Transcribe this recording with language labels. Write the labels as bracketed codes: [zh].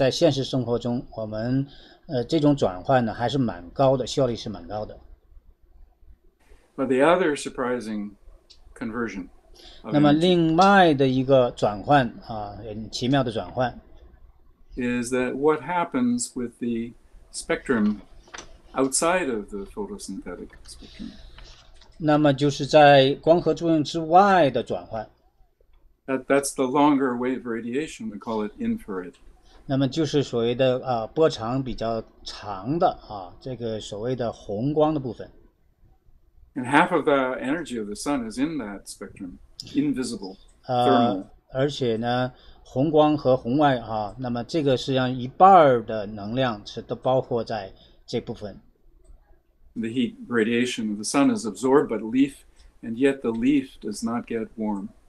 [zh] 那么，但是我们还是可以说，在现实生活中，我们 这种转换呢，还是蛮高的，效率是蛮高的。 [en] But the other surprising conversion. [zh] 那么另外的一个转换，很奇妙的转换。 [en] Is that what happens with the spectrum outside of the photosynthetic spectrum? [zh] 那么就是在光合作用之外的转换。 [en] That's the longer wave radiation, we call it infrared. [zh] 那么就是所谓的波长比较长的这个所谓的红光的部分。 [en] And half of the energy of the sun is in that spectrum, invisible, thermal. [zh] 而且呢，红光和红外，那么这个实际上一半的能量是都包括在这部分。 [en] The heat radiation of the sun is absorbed by the leaf, and yet the leaf does not get warm.